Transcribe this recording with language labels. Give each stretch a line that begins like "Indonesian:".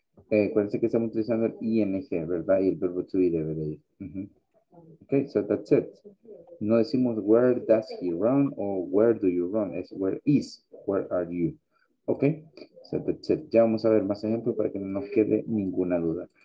Spanish: Acuérdense que estamos utilizando el ING, ¿verdad? Y el verbo to be debe de ir.
English: Uh-huh. Okay, so that's it.
Spanish: No decimos
English: where does he run
Spanish: o
English: where do you run. Es where is, where are you. Okay, so that's it.
Spanish: Ya vamos a ver más ejemplos para que no nos quede ninguna duda.